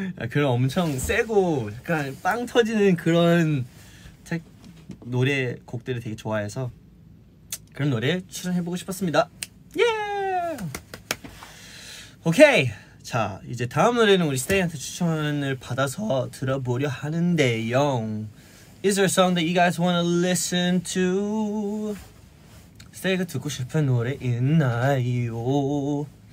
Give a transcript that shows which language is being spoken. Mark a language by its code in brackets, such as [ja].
[ko] 그런 엄청 세고 약간 빵 터지는 그런 노래 곡들을 되게 좋아해서 그런 노래 추천해보고 싶었습니다. 예! Yeah! 오케이! 자, 이제 다음 노래는 우리 스테이한테 추천을 받아서 들어보려 하는데요. [en] Is there a song that you guys wanna listen to? [ko] 스테이가 듣고 싶은 노래 있나요?